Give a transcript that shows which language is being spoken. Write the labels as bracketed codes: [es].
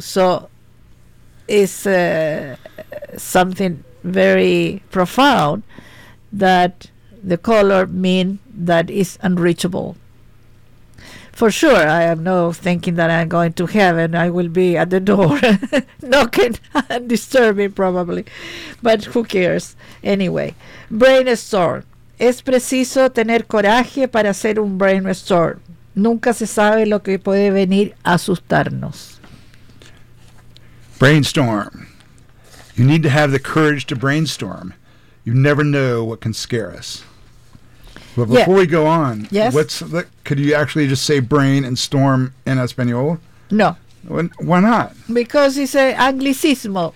[en] So it's something very profound that the color mean that is unreachable. For sure, I am not thinking that I'm going to heaven. I will be at the door knocking and disturbing probably. But who cares? Anyway, brainstorm. [es] Es preciso tener coraje para hacer un brainstorm. Nunca se sabe lo que puede venir a asustarnos. [en] Brainstorm. You need to have the courage to brainstorm. You never know what can scare us. But before we go on, could you actually just say brain and storm in Espanol? No. Why not? Because it's an anglicismo.